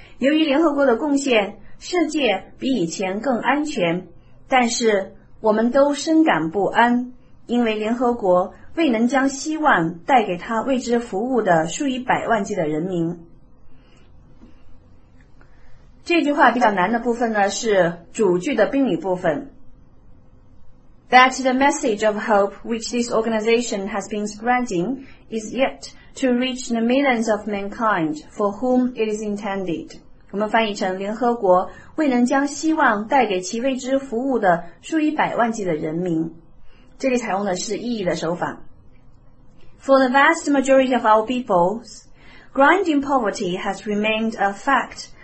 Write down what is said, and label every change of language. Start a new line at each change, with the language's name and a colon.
Chinese: 由于联合国的贡献，世界比以前更安全，但是我们都深感不安，因为联合国未能将希望带给他为之服务的数以百万计的人民。这句话比较难的部分呢，是主句的宾语部分。
English: That the message of hope which this organization has been spreading is yet to reach the millions of mankind for whom it is intended.
Chinese: 我们翻译成联合国未能将希望带给其为之服务的数以百万计的人民。这里采用的是意义的手法。
English: For the vast majority of our peoples, grinding poverty has remained a fact.